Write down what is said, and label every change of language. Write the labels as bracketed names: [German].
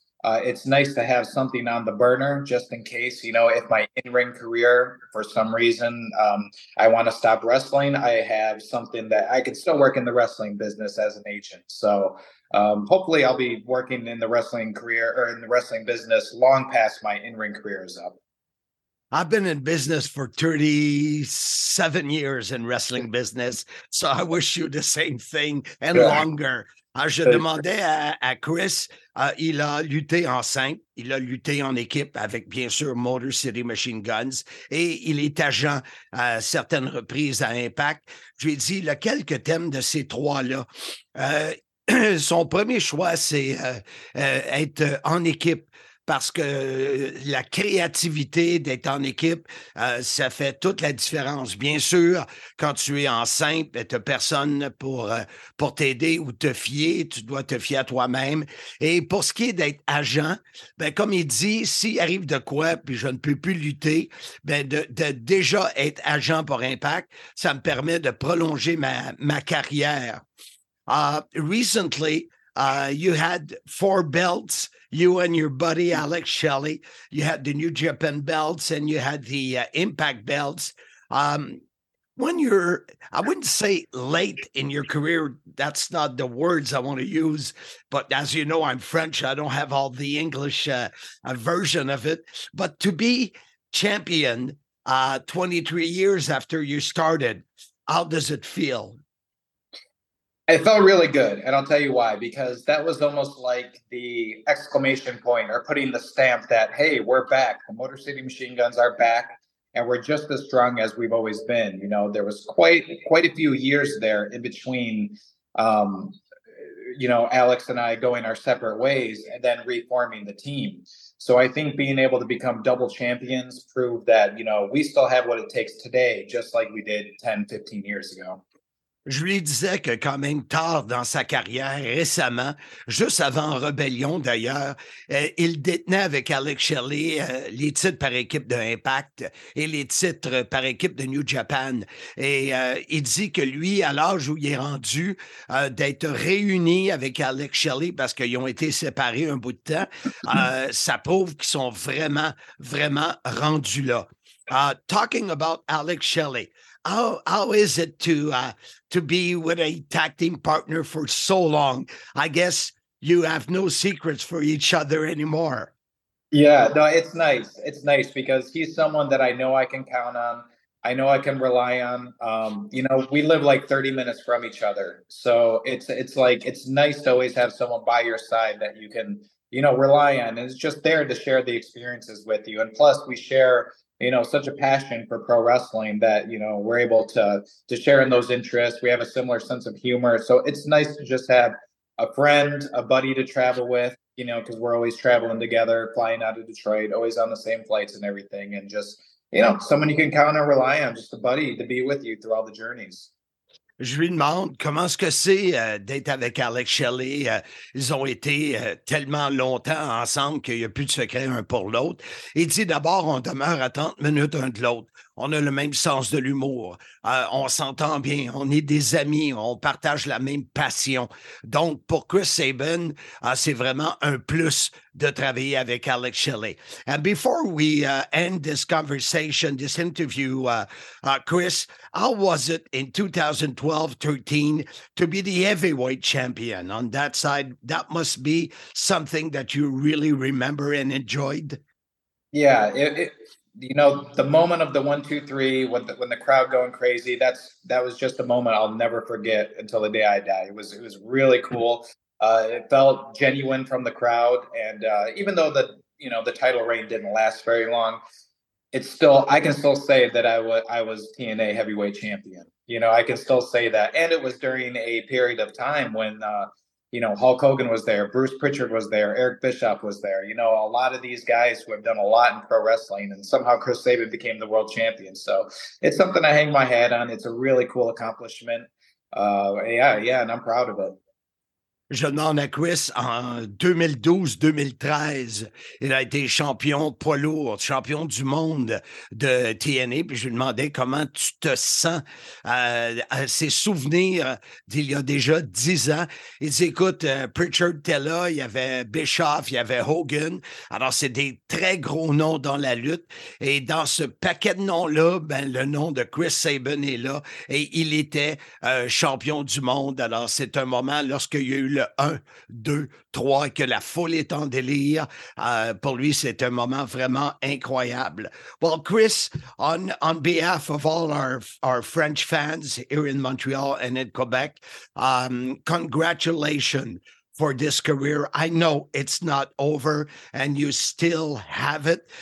[English] It's nice to have something on the burner just in case, you know, if my in-ring career, for some reason, I want to stop wrestling, I have something that I could still work in the wrestling business as an agent. So hopefully I'll be working in the wrestling career or in the wrestling business long past my in-ring career is up. I've been in business for 37 years in wrestling business. So I wish you the same thing and longer. [French] Alors, je demandais à Chris, il a lutté en simple, il a lutté en équipe avec, bien sûr, Motor City Machine Guns, et il est agent à certaines reprises à Impact. Je lui ai dit, il a quelques thèmes de ces trois-là. Son premier choix, c'est être en équipe, parce que la créativité d'être en équipe, ça fait toute la différence. Bien sûr, quand tu es en simple, tu n'as personne pour t'aider ou te fier, tu dois te fier à toi-même. Et pour ce qui est d'être agent, ben, comme il dit, s'il arrive de quoi, puis je ne peux plus lutter, ben de déjà être agent pour Impact, ça me permet de prolonger ma carrière. [English] Recently, you had 4 belts. You and your buddy, Alex Shelley, you had the New Japan belts and you had the Impact belts. When you're, I wouldn't say late in your career, that's not the words I want to use, but as you know, I'm French, I don't have all the English version of it, but to be champion 23 years after you started, how does it feel? It felt really good, and I'll tell you why, because that was almost like the exclamation point or putting the stamp that, hey, we're back. The Motor City Machine Guns are back, and we're just as strong as we've always been. You know, there was quite a few years there in between, you know, Alex and I going our separate ways and then reforming the team. So I think being able to become double champions proved that, you know, we still have what it takes today, just like we did 10, 15 years ago. [French] Je lui disais que quand même tard dans sa carrière, récemment, juste avant Rebellion d'ailleurs, il détenait avec Alex Shelley les titres par équipe de Impact et les titres par équipe de New Japan. Et il dit que lui, à l'âge où il est rendu, d'être réuni avec Alex Shelley parce qu'ils ont été séparés un bout de temps, ça prouve qu'ils sont vraiment, vraiment rendus là. [English] Talking about Alex Shelley. How is it to be with a tag team partner for so long? I guess you have no secrets for each other anymore. Yeah, no, it's nice. It's nice because he's someone that I know I can count on. I know I can rely on. You know, we live like 30 minutes from each other. So it's like, it's nice to always have someone by your side that you can, you know, rely on. And it's just there to share the experiences with you. And plus we share, you know, such a passion for pro wrestling that, you know, we're able to share in those interests. We have a similar sense of humor. So it's nice to just have a friend, a buddy to travel with, you know, because we're always traveling together, flying out of Detroit, always on the same flights and everything. And just, you know, someone you can count on, rely on, just a buddy to be with you through all the journeys. [French] Je lui demande comment est-ce que c'est d'être avec Alex Shelley. Ils ont été tellement longtemps ensemble qu'il n'y a plus de secret un pour l'autre. Il dit d'abord, on demeure à 30 minutes un de l'autre. On a le même sens de l'humour. On s'entend bien. On est des amis. On partage la même passion. Donc, pour Chris Sabin, c'est vraiment un plus de travailler avec Alex Shelley. [English] And before we end this conversation, this interview, Chris, how was it in 2012-13 to be the heavyweight champion on that side? That must be something that you really remember and enjoyed. Yeah, you know, the moment of the 1-2-3 when the crowd going crazy, that was just a moment I'll never forget until the day I die. It was really cool. It felt genuine from the crowd. And even though the title reign didn't last very long, I can still say that I was TNA heavyweight champion. You know, I can still say that. And it was during a period of time when, you know, Hulk Hogan was there, Bruce Pritchard was there, Eric Bischoff was there. You know, a lot of these guys who have done a lot in pro wrestling, and somehow Chris Sabin became the world champion. So it's something I hang my hat on. It's a really cool accomplishment. And I'm proud of it. [French] Je demande à Chris, en 2012-2013, il a été champion poids lourd, champion du monde de TNA. Puis je lui demandais comment tu te sens à ses souvenirs d'il y a déjà 10 ans. Il dit, écoute, Pritchard était là, il y avait Bischoff, il y avait Hogan. Alors, c'est des très gros noms dans la lutte. Et dans ce paquet de noms-là, ben le nom de Chris Sabin est là. Et il était champion du monde. Alors, c'est un moment lorsqu'il y a eu 1, 2, 3, que la foule est en délire. Pour lui, c'est un moment vraiment incroyable. [English] Well, Chris, on behalf of all our French fans here in Montreal and in Quebec, congratulations for this career. I know it's not over and you still have it.